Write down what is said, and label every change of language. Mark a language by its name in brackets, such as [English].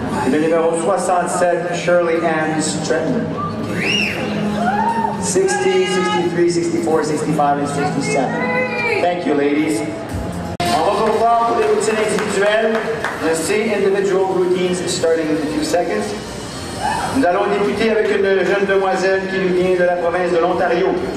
[French] Le numéro [English] 67, Shirley Ann Stretton. 60, 63, 64, 65, and 67. Thank you, ladies. [French] On va vous voir pour les routines individuelles. [English] Let's see individual routines starting in a few seconds. [French] Nous allons débuter avec une jeune demoiselle qui nous vient de la province de l'Ontario.